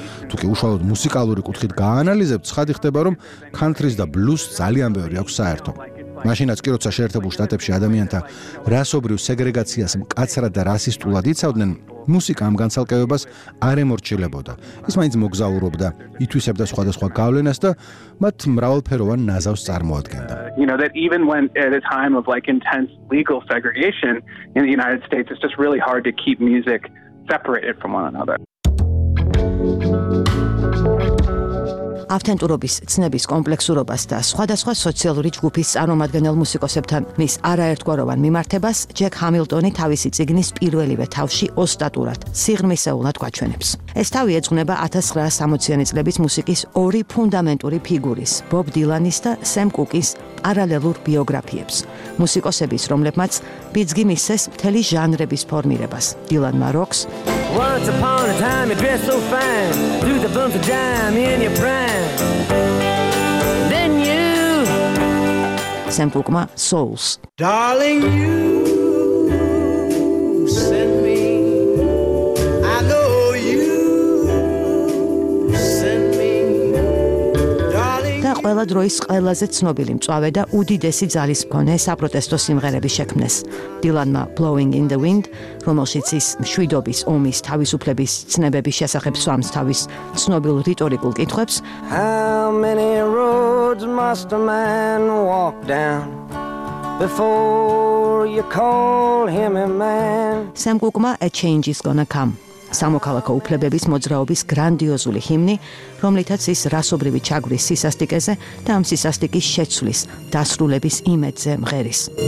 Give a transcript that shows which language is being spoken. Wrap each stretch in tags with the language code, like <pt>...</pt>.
<ka>თუკი უშუალოდ მუსიკალური კუთხით გაანალიზებთ, ცხადი ხდება, რომ ქანთრის და ბლუს ძალიან ბევრი აქვს საერთო. მაშინაც კი, როცა შეერთებულ შტატებში ადამიანთა რასობრივ სეგრეგაციას მკაცრად და რასისტულად იცავდნენ, მუსიკა ამ განცალკევებას არ ემორჩილებოდა. ის მაინც მოგზაურობდა, ითვისებდა სხვადასხვა გავლენას და მათ მრავალფეროვან ნაზავს წარმოადგენდა.</ka> <en>You know that even when at a time of like intense legal segregation in the United States it's just really hard to keep music separated from one another.</en> <ka>ავთენტურობის ცნების კომპლექსურობას და სხვადასხვა სოციალური ჯგუფის წარმომადგენელ მუსიკოსებთან მის არაერთგვაროვან მიმართებას ჯეკ ჰამილტონი თავისი წიგნის პირველივე თავში ოსტატურად, სიღრმისეულად გვაჩვენებს. ეს თავი ეძღვნება 1960-იანი წლების მუსიკის ორი ფუნდამენტური ფიგურის, ბობ დილანის და სემ კუკის პარალელურ ბიოგრაფიებს. მუსიკოსების, რომლებმაც ბიძგი მისცეს მთელი ჟანრების ფორმირებას. დილან მაროკს</ka> <en>Once upon a time you dressed so fine Threw the bumps of dime in your prime Then you Sam Cooke-ma Souls Darling you sent me I know you sent me Darling Da</en> <ka>ყველა დროის ყველაზე ცნობილი მწვავე და უდიდესი ძალის მქონე საპროტესტო სიმღერების შექმნეს. დილანმა Blowing in the Wind, რომელშიც ის მშვიდობის, ომის, თავისუფლების ცნებების შესახებ სვამს თავის ცნობილ რიტორიკულ კითხვებს.</ka> <en>How many roads must a man walk down before you call him a man?</en> <ka>Sam Cooke-მა A Change is Gonna Come, სამოქალაქო უფლებების მოძრაობის გრანდიოზული ჰიმნი, რომლითაც ის რასობრივი ჩაგვრის სისასტიკეზე და ამ სისასტიკის შეცვლის, დასრულების იმედზე მღერის.</ka>